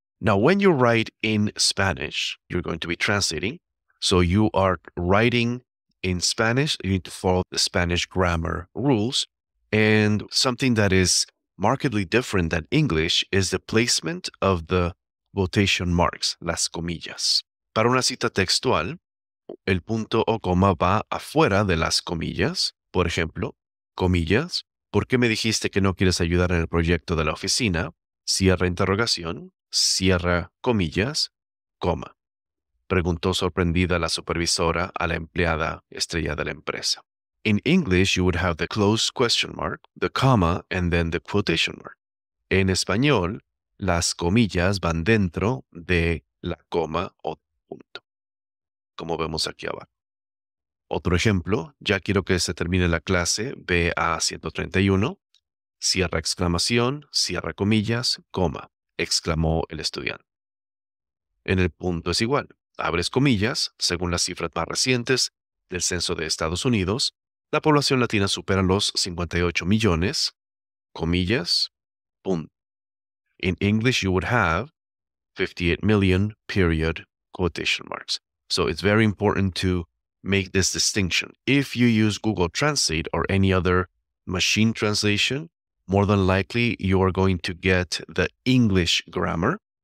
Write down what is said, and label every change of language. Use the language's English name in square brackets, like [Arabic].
[English] Now, when you write in Spanish, you're going to be translating. So you are writing in Spanish. You need to follow the Spanish grammar rules. And something that is markedly different than English is the placement of the quotation marks, [Spanish] las comillas. Para una cita textual, el punto o coma va afuera de las comillas. Por ejemplo, comillas, ¿por qué me dijiste que no quieres ayudar en el proyecto de la oficina? Cierra interrogación. Cierra comillas, coma. Preguntó sorprendida la supervisora a la empleada estrella de la empresa. [English] In English, you would have the closed question mark, the comma, and then the quotation mark. [Spanish] En español, las comillas van dentro de la coma o punto, como vemos aquí abajo. Otro ejemplo, ya quiero que se termine la clase BA131. Cierra exclamación, cierra comillas, coma. Exclamó el estudiante. En el punto es igual. Abres comillas, según las cifras más recientes del censo de Estados Unidos, la población latina supera los 58 millones, comillas, punto. [English] In English, you would have 58 million, period, quotation marks. So it's very important to make this distinction. If you use Google Translate or any other machine translation, more than likely, you are going to get the English grammar.